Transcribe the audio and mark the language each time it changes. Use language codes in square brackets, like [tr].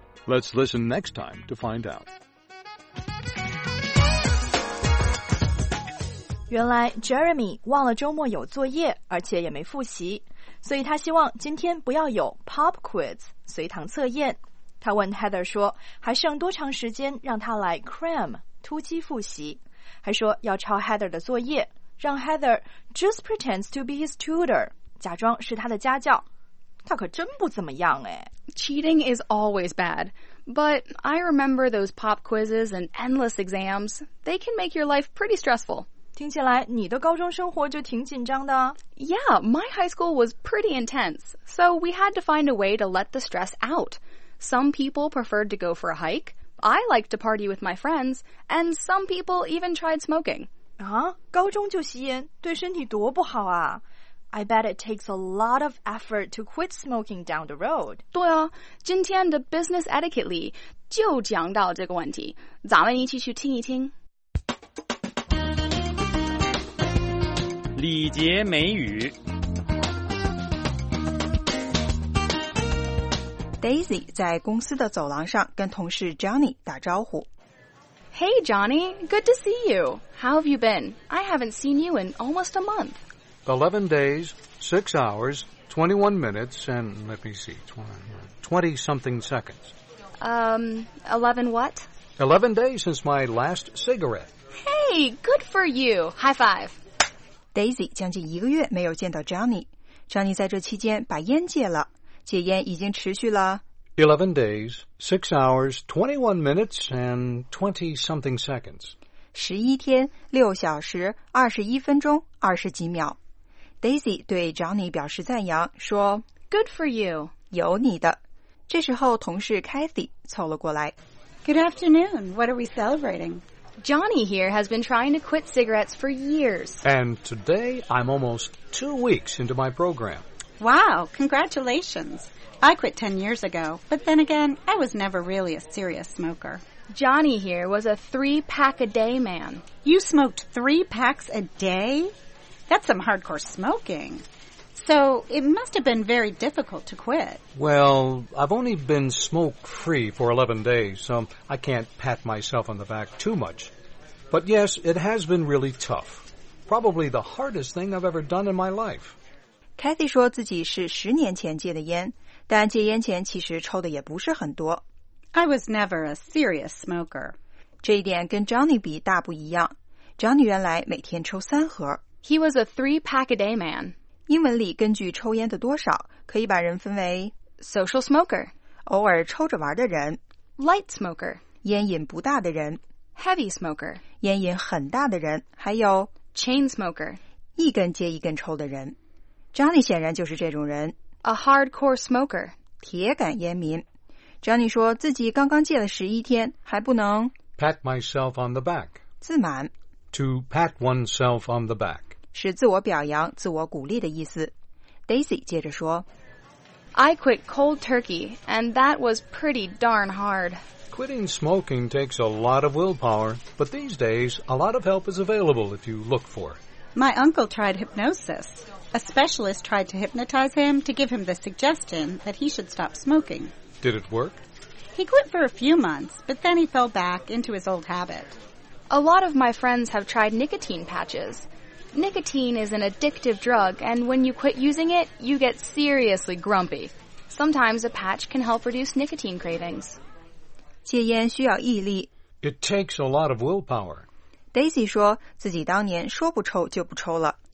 [en] Let's listen next time to find out. [zh] 原来 Jeremy 忘了周末有作业，而且也没复习，所以他希望今天不要有 pop quiz 随堂测验。他问 Heather 说还剩多长时间让他来 cram 突击复习，还说要抄 Heather 的作业，让 Heather [en] just pretends to be his tutor， [zh] 假装是他的家教。他可真不怎么样哎。 [en] Cheating is always bad, but I remember those pop quizzes and endless exams. They can make your life pretty stressful. [zh] 听起来你的高中生活就挺紧张的。 [en] Yeah, my high school was pretty intense, so we had to find a way to let the stress out. Some people preferred to go for a hike, I liked to party with my friends, and some people even tried smoking. [zh] 啊，高中就吸烟，对身体多不好啊。 [en] I bet it takes a lot of effort to quit smoking down the road. [zh] 对啊，今天的 business etiquette 里就讲到这个问题，咱们一起去听一听。礼节美语 Daisy 在公司的走廊上跟同事 Johnny 打招呼 [en] Hey Johnny, good to see you. How have you been? I haven't seen you in almost a month. 11 days, 6 hours, 21 minutes, and let me see, 20 something seconds. 11 what? 11 days since my last cigarette. Hey, good for you. High five. [zh] Daisy 将近一个月没有见到 Johnny. Johnny 在这期间把烟戒了，戒烟已经持续了 [en] 11 days, 6 hours, 21 minutes, and 20 something seconds. [zh] 11天6小时21分钟20几秒。 Daisy 对 Johnny 表示赞扬，说 [en] Good for you. [zh] 有你的。这时候同事 Kathy 凑了过来。 [en] Good afternoon. What are we celebrating? Johnny here has been trying to quit cigarettes for years. And today, I'm almost 2 weeks into my program. Wow, congratulations. I quit 10 years ago, but then again, I was never really a serious smoker. Johnny here was a 3-pack-a-day man. You smoked 3 packs a day? That's some hardcore smoking. So, it must have been very difficult to quit. Well, I've only been smoke-free for 11 days, so I can't pat myself on the back too much. But yes, it has been really tough. Probably the hardest thing I've ever done in my life. [zh] Kathy 说自己是十年前戒的烟，但戒烟前其实抽的也不是很多。 [en] I was never a serious smoker. [zh] 这一点跟 Johnny 比大不一样。Johnny 原来每天抽三盒。 [en] He was a 3-pack-a-day man. [zh] 英文里根据抽烟的多少可以把人分为 [en] social smoker. [zh] 偶尔抽着玩的人。 [en] Light smoker. [zh] 烟瘾不大的人。 [en] Heavy smoker. [zh] 烟瘾很大的人。还有 chain smoker. 一根接一根抽的人。 Johnny 显然就是这种人。 [en] A hardcore smoker. [zh] 铁杆烟民。 Johnny 说自己刚刚戒了11天还不能 [en] pat myself on the back. [zh] 自满。 [en] To pat oneself on the back. [zh] 是自我表扬自我鼓励的意思。 Daisy 接着说 [en] I quit cold turkey, and that was pretty darn hard. Quitting smoking takes a lot of willpower, but these days, a lot of help is available if you look for it. My uncle tried hypnosis. A specialist tried to hypnotize him to give him the suggestion that he should stop smoking. Did it work? He quit for a few months, but then he fell back into his old habit. A lot of my friends have tried nicotine patches. Nicotine is an addictive drug, and when you quit using it, you get seriously grumpy. Sometimes a patch can help reduce nicotine cravings. [zh] 戒烟需要毅力。 [en] It takes a lot of willpower. [zh] Daisy 说自己当年说不抽就不抽了。